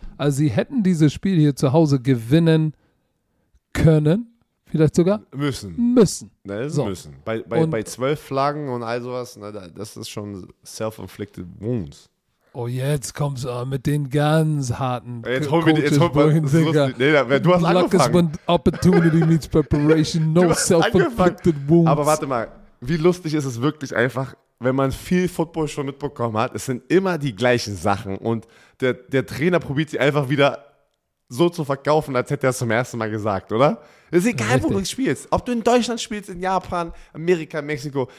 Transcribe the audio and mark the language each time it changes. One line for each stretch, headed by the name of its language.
German: Also sie hätten dieses Spiel hier zu Hause gewinnen können, vielleicht sogar müssen. Ne, so. Müssen. Bei 12 Flaggen und all sowas, ne, das ist schon
English: self-inflicted wounds.
German: Oh, jetzt kommst du mit den ganz harten. Jetzt holen wir die. Jetzt holen wir die. Du hast
English: Luck
German: angefangen.
English: Is opportunity meets preparation. No self-inflicted wounds.
German: Aber warte mal. Wie lustig ist es wirklich einfach, wenn man viel Football schon mitbekommen hat? Es sind immer die gleichen Sachen. Und der Trainer probiert sie einfach wieder so zu verkaufen, als hätte er es zum ersten Mal gesagt, oder? Es ist egal, richtig, wo du spielst. Ob du in Deutschland spielst, in Japan, Amerika, Mexiko.